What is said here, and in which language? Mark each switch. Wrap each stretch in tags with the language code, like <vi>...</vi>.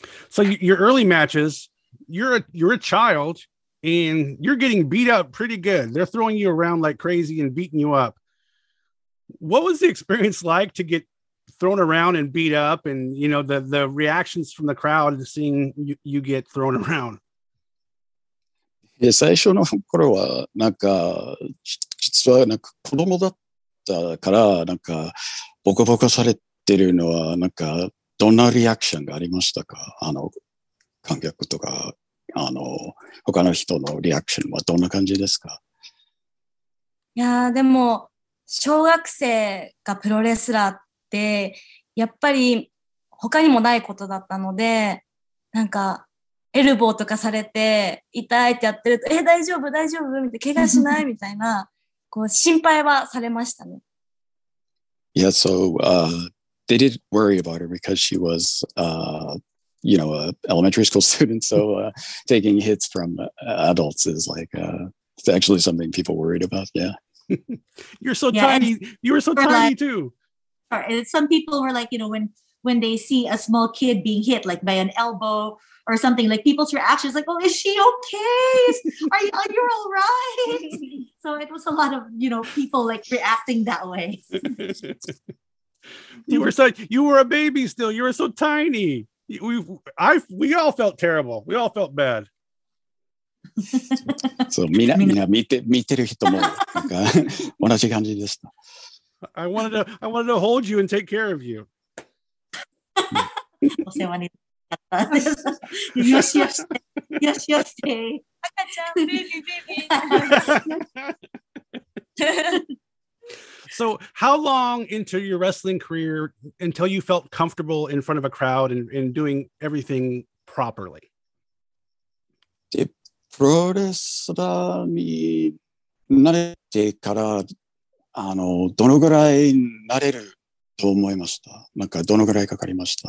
<en>So your early matches, you're a child and you're getting beat up pretty good. They're throwing you around like crazy and beating you up. What was the experience like to get thrown around and beat up, and the reactions from the crowd to seeing you get thrown around?</en> <ja>Yeah, 最初の頃はなんか実はなんか子供だったからなんかボコボコされてるのはなんかどんなリアクションがありましたか？あの観客とか、あの他の人のリアクションはどんな感じですか？いやー、でも小学生がプロレスラーってやっぱり他にもないことだったので、なんかエルボーとかされて痛いってやってると、大丈夫大丈夫みたいな、怪我しないみたいなこう心配はされましたね。</ja> <en>Yeah, so they did worry about her because she was, you know, an elementary school student. So taking hits from adults is like, it's actually something people worried about. Yeah. You're so tiny. You were so tiny too. Some people were like, you know, when they see a small kid being hit like by an elbow or something, like people's reaction is like, oh, is she okay? Are you all right? So it was a lot of, you know, people like reacting that way. You were a baby still. You were so tiny. We all felt terrible. We all felt bad.</en> <ja>So, みんな見てる人もなんか同じ感じでした。</ja> <en>I wanted to hold you and take care of you.</en> <ja>お世話になったんです。よしよしてよしよして赤ちゃんベビーベビー。</ja> <en>So how long into your wrestling career until you felt comfortable in front of a crowd and in doing everything properly?</en> <ja>プロレスラーに慣れてからあのどのぐらい慣れると思いました？なんかどのぐらいかかりました？</ja>